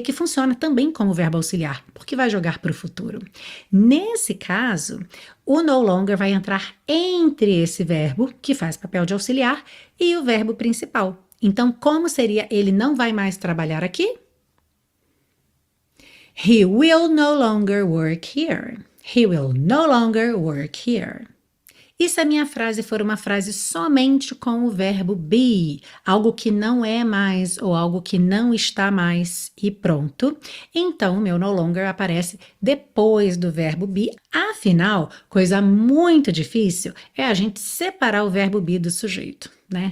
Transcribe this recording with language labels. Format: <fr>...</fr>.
<pt>Que funciona também como verbo auxiliar, porque vai jogar para o futuro. Nesse caso, o no longer vai entrar entre esse verbo, que faz papel de auxiliar, e o verbo principal. Então, como seria ele não vai mais trabalhar aqui?</pt> <en>He will no longer work here. He will no longer work here.</en> <pt>E se a minha frase for uma frase somente com o verbo be, algo que não é mais ou algo que não está mais e pronto, então o meu no longer aparece depois do verbo be. Afinal, coisa muito difícil é a gente separar o verbo be do sujeito, né?</pt>